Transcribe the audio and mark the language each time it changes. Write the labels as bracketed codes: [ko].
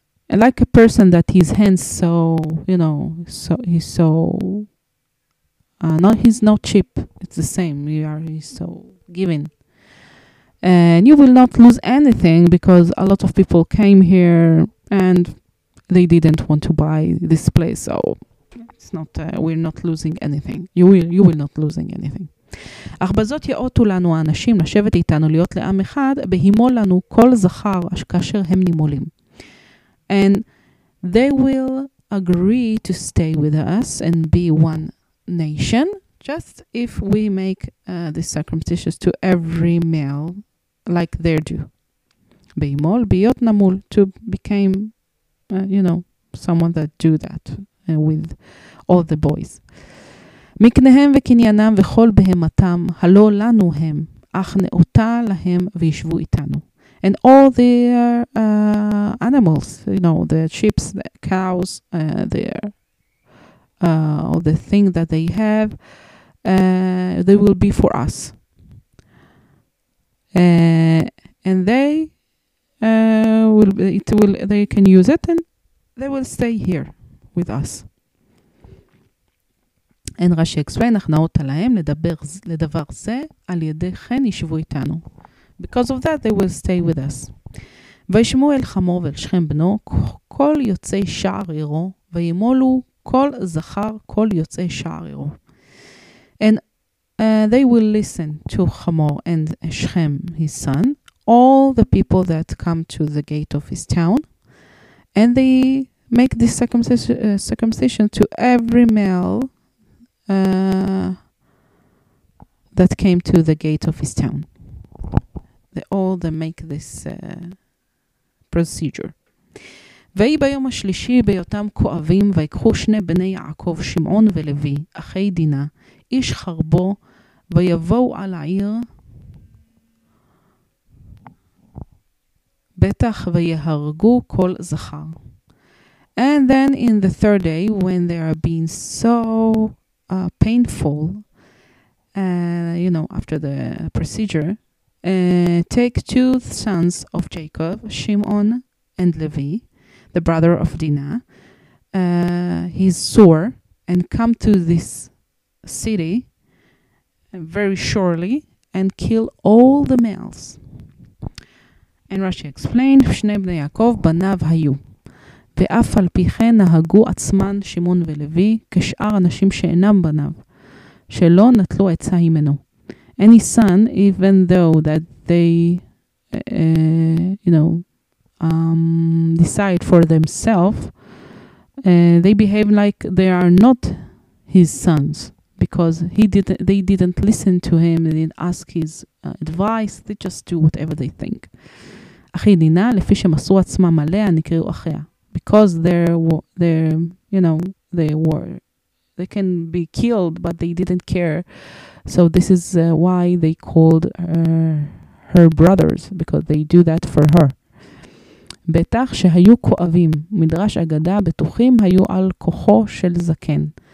[en] Like a person that his hands so, you know, so he's so not, he's not cheap. It's the same. He's so giving. And you will not lose anything because a lot of people came here and they didn't want to buy this place. So it's not, we're not losing anything. You will not losing anything. [he] אך בזאת יאותו לנו האנשים לשבת איתנו להיות לעם אחד, בהימול לנו כל זכר כאשר הם נימולים. [en] And they will agree to stay with us and be one nation, just if we make this circumcision to every male like they do. [he] בהימול, ביות נמול, [en] to become, you know, someone that do that with all the boys. [he] מקניהם וקניינם וכל בהמתם, הלא לנו הם, אך נאותה להם וישבו איתנו. [en] And all their animals, you know, the sheep, the cows, their all the thing that they have, they will be for us. And they will be, it will, they can use it and they will stay here with us. אין רשי אקסווין, [he] אך נאותה להם לדבר זה, על ידי כן ישבו איתנו. [en] Because of that, they will stay with us. [he] וישמו אל חמור ואל שכם בנו, כל יוצאי שער עירו, וימולו כל זכר, כל יוצאי שער עירו. [en] And they will listen to חמור and שכם, his son, all the people that come to the gate of his town, and they make this circumcision to every male that came to the gate of his town. They all they make this procedure. [he] ויהי ביום השלישי ביותם כואבים ויקחו שני בני יעקב שמעון ולוי אחי דינה איש חרבו ויבואו על העיר בטח ויהרגו כל זכר. [en] And then in the third day when they are being so painful, you know, after the procedure, take two sons of Jacob, Shimon and Levi, the brother of Dinah, his sword, and come to this city very surely and kill all the males. And Rashi explained, [he] Shnei bnei Yaakov banav hayu. ואף על פי כן נהגו עצמן שמעון ולוי כשאר אנשים שאינם בניו, שלא נטלו עצה ממנו. [en] Any son, even though that they, you know, decide for themselves, they behave like they are not his sons, because they didn't listen to him, they didn't ask his advice, they just do whatever they think. [he] אחי דינה, לפי שמסרו עצמם עליה, נקראו אחיה. [en] Because they're you know they were they can be killed but they didn't care, so this is why they called her brothers, because they do that for her. [he] בטח שהיו כואבים, מדרש אגדה, בטוחים היו על כוחו של זקן.